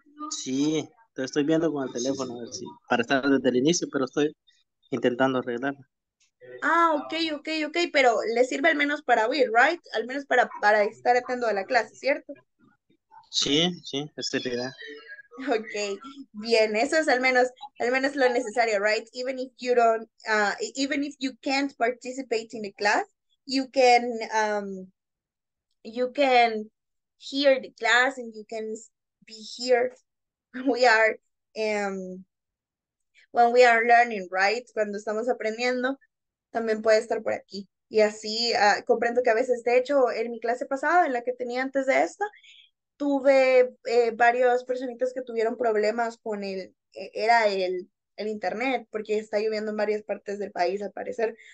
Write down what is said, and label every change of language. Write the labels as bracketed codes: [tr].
[es] Sí, entonces estoy viendo con el teléfono a ver si, para estar desde el inicio, pero estoy intentando arreglarla. Ah, ok, pero le sirve al menos para oír, [en] right? [es] Al menos para estar atento a la clase, ¿cierto? Sí, esa es la idea. Ok, bien, eso es al menos lo necesario, [en] right? Even if you don't, even if you can't participate in the class, you can hear the class and you can be here. When we are learning, right? [es] Cuando estamos aprendiendo, también puede estar por aquí. Y así comprendo que a veces, de hecho, en mi clase pasada, en la que tenía antes de esta, tuve varias personitas que tuvieron problemas con el internet, porque está lloviendo en varias partes del país, al parecer.